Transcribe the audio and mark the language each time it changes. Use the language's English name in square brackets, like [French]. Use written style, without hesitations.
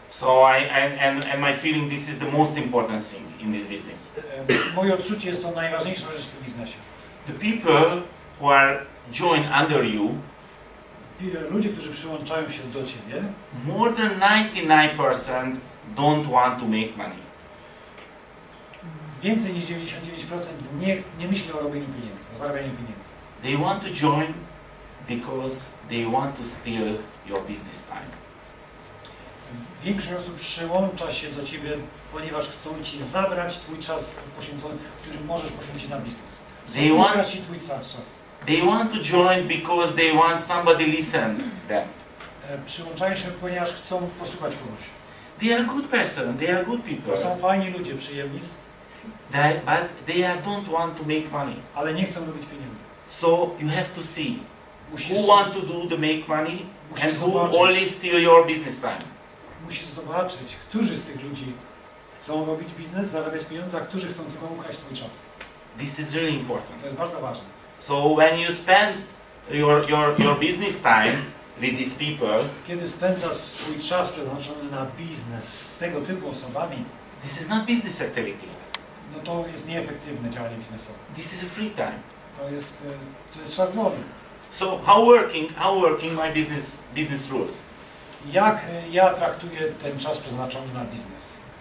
[English] So I my feeling this is the most important thing in this business. [Polish] Moje odczucie jest to najważniejsza rzecz w tym biznesie. [English] The people who are join under you. [Polish] Ludzie, którzy przyłączają się do ciebie, [English] more than 99% don't want to make money. [Polish] Więcej niż 99% nie myśli o robieniu pieniędzy, o zarabianiu pieniędzy. [English] They want to join because they want to steal your business time. [Polish] Większość osób przyłącza się do ciebie, ponieważ chcą ci zabrać twój czas poświęcony, który możesz poświęcić na biznes. [English] They want [Polish] zabrać ci twój czas. [English] They want to join because they want somebody listen them. [Polish] Przyłączają się, ponieważ chcą posłuchać kogoś. [English] They are good person, they are good people. [Polish] To są fajni ludzie, przyjemni. [English] But they don't want to make money. [Polish] Ale nie chcą robić pieniędzy. [English] So you have to see who want to do the make money and who only steal your business time. [Polish] Musisz zobaczyć, którzy z tych ludzi chcą robić biznes, zarabiać pieniądze, a którzy chcą tylko ukraść twój czas. [English] This is really important. [Polish] To jest bardzo ważne. [English] So when you spend your business time with these people, [Polish] kiedy spędzasz swój czas przeznaczony na biznes z tego typu osobami, [English] this is not business activity. [Polish] No to jest nieefektywne działanie biznesowe. [English] This is a free time. [Polish] To jest czas wolny. [English] So how working my business rules? [Polish] Jak ja traktuję ten czas przeznaczony na biznes?